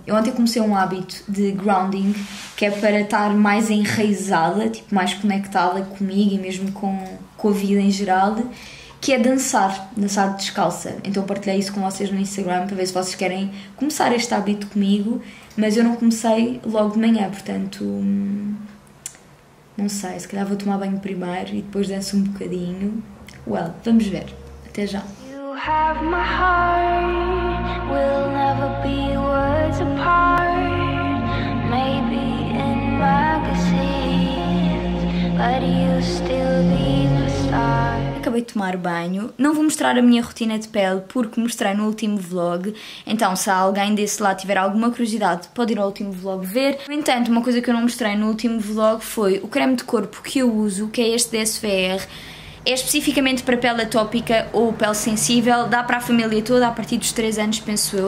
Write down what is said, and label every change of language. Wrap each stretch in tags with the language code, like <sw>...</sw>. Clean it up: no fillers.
<pt>Eu ontem comecei um hábito de grounding, que é para estar mais enraizada, tipo mais conectada comigo e mesmo com a vida em geral, que é dançar descalça. Então eu partilhei isso com vocês no Instagram para ver se vocês querem começar este hábito comigo, mas eu não comecei logo de manhã, portanto não sei, se calhar vou tomar banho primeiro e depois danço um bocadinho. Well, vamos ver. Até já.</pt> <en>Have my heart, we'll never be words apart. Maybe in magazines, but you still be the star.</en> <pt>Acabei de tomar banho. Não vou mostrar a minha rotina de pele porque mostrei no último vlog. Então, se alguém desse lá tiver alguma curiosidade, pode ir ao último vlog ver. No entanto, uma coisa que eu não mostrei no último vlog foi o creme de corpo que eu uso, que é este da SVR. É especificamente para pele atópica ou pele sensível, dá para a família toda a partir dos 3 anos, penso eu.</pt>